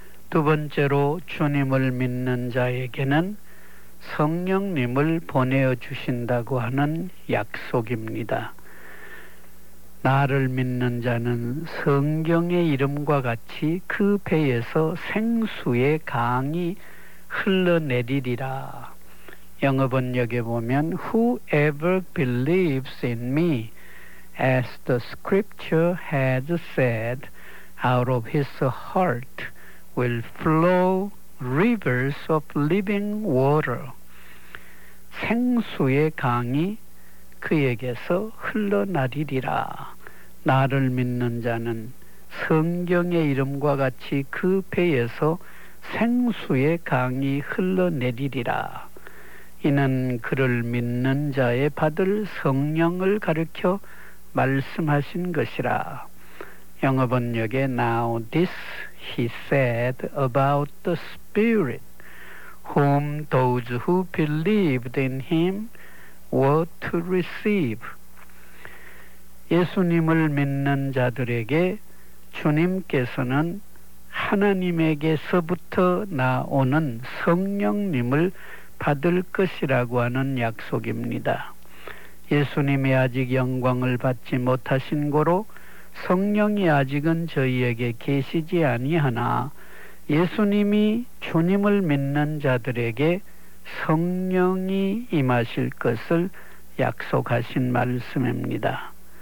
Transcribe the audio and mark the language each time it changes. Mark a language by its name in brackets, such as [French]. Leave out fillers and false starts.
[Korean] 두 번째로 주님을 믿는 자에게는 성령님을 보내어 주신다고 하는 약속입니다. 나를 믿는 자는 성경의 이름과 같이 그 배에서 생수의 강이 흘러내리리라. 영어 번역에 보면 [English] Whoever believes in me, as the scripture has said, out of his heart will flow rivers of living water. [Korean] 생수의 강이 그에게서 흘러나리리라. 나를 믿는 자는 성경의 이름과 같이 그 배에서 생수의 강이 흘러내리리라. 이는 그를 믿는 자에 받을 성령을 가르쳐 말씀하신 것이라. 영어 번역에 [English] Now this he said about the Spirit, whom those who believed in him were to receive. [Korean] 예수님을 믿는 자들에게 주님께서는 하나님에게서부터 나오는 성령님을 받을 것이라고 하는 약속입니다. 예수님이 아직 영광을 받지 못하신 고로 성령이 아직은 저희에게 계시지 아니하나 예수님이 주님을 믿는 자들에게 성령이 임하실 것을 약속하신 말씀입니다.